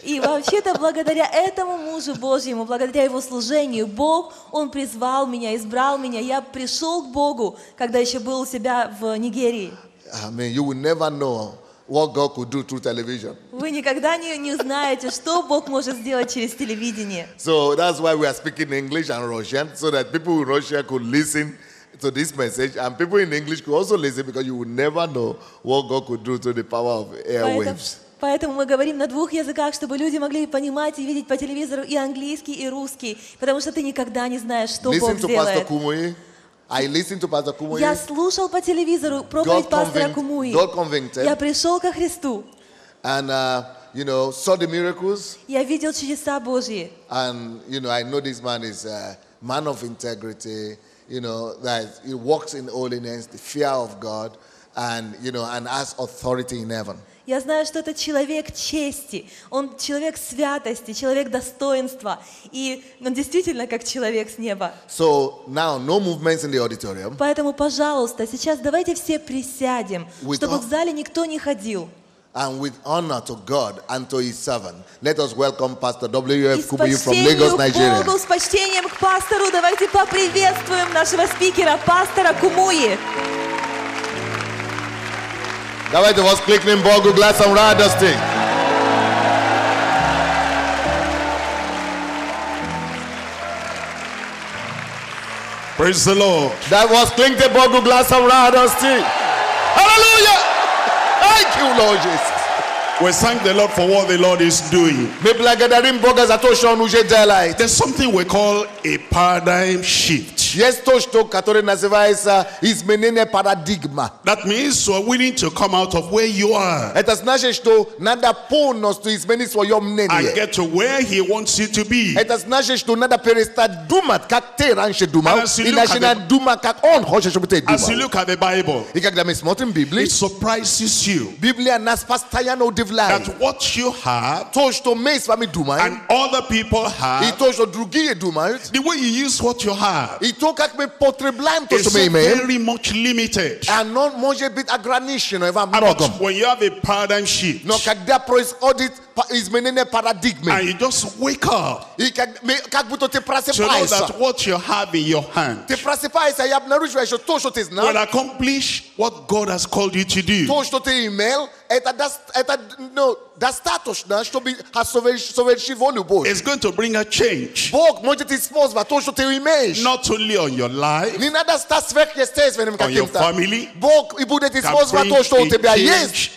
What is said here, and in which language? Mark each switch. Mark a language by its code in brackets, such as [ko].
[ru] И вообще-то благодаря этому мужу Божьему, благодаря его служению, Бог, он призвал меня, избрал меня. Я пришел к Богу, когда еще был у себя в Нигерии. [en] Amen. You will never know what God could do through television. [ru] Вы никогда не знаете, что Бог может сделать через телевидение. [en] So that's why we are speaking English and Russian, so that people in Russia could listen to this message, and people in English could also listen, because you would never know what God could do through the power of airwaves. [ru] Поэтому мы говорим на двух языках, чтобы люди могли понимать и видеть по телевизору и английский, и русский, потому что ты никогда не знаешь, что [en] Listen [ru] Бог [en] to [ru] сделает. [en] Kumuyi. I listened to Pastor Kumuyi. [ru] Я слушал по телевизору проповедь пастора Кумуи. [en] God convicted. [ru] Я пришел ко Христу. [en] And you know, saw the miracles. [ru] Я видел чудеса Божьи. [en] And you know, I know this man is a man of integrity. You know, that he walks in holiness, the fear of God, and, you know, and has authority in heaven. [ru] Я знаю, что это человек чести, он человек святости, человек достоинства, и он действительно как человек с неба. [en] So now, no movements in the auditorium. [ru] Поэтому, пожалуйста, сейчас давайте все присядем, чтобы в зале никто не ходил. [en] And with honor to God and to His servant, let us welcome Pastor W.F. Kumuyi from Lagos, Nigeria. [ru] Богу, с почтением к пастору, давайте поприветствуем нашего спикера, пастора Кумуи. Давайте воскликнем Богу глазом радости. [en] Praise the Lord. [ru] Давайте воскликнем Богу глазом радости. [en] Hallelujah! Thank you, Lord Jesus. We thank the Lord for what the Lord is doing. There's something we call a paradigm shift. [ru] Есть то, что, которое называется изменение парадигмы. [en] That means you are willing to come out of where you are. [ru] Это значит, что надо полностью изменить свое мнение. [en] And get to where he wants you to be. [ru] Это значит, что надо перестать думать, как ты раньше думал, и начинать думать, как он хочет, чтобы ты думал. [en] As you look at the Bible, [ru] и когда мы смотрим Библию, [en] it surprises you. [ru] Библия нас постоянно удивляет. [en] That what you have, [ru] то, что мы с вами думаем, [en] and other people have, [ru] и то, что другие думают, [en] the way you use what you have, [ru] и то, как мы потребляем то, что мы имеем, [en] very much limited. [ru] Оно может быть ограничено и во многом. [en] When you have a paradigm shift, [ru] но когда происходит изменение парадигмы, [en] and you just wake up, [ru] и как будто ты просыпаешься, [en] to know that what you have in your hand, [ru] ты просыпаешься и обнаруживаешь, что то, что ты знаешь, [en] will accomplish what God has called you to do. [ru] То, что ты имел, это достаточно, чтобы совершить волю Божью. [en] It's going to bring a change. [ru] Бог может использовать то, что ты имеешь. [en] Not only on your life. [ru] Не надо стать сверхъестественным каким-то. [en] On your family. [ru] Бог и будет использовать то, что у тебя есть.